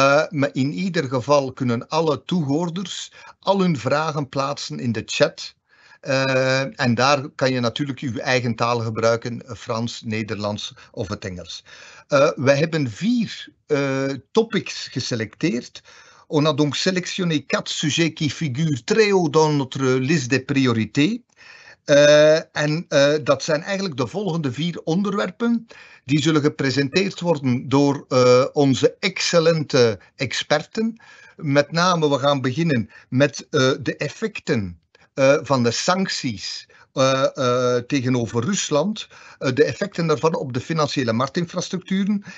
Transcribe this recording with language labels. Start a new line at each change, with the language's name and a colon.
Dutch: Maar in ieder geval kunnen alle toehoorders al hun vragen plaatsen in de chat. En daar kan je natuurlijk je eigen taal gebruiken, Frans, Nederlands of het Engels. We hebben vier topics geselecteerd.
French: On a donc sélectionné quatre sujets qui figurent très haut dans notre liste des priorités.
Dutch: En dat zijn eigenlijk de volgende vier onderwerpen. Die zullen gepresenteerd worden door onze excellente experten. Met name, we gaan beginnen met de effecten van de sancties tegenover Rusland, de effecten daarvan op de financiële marktinfrastructuren.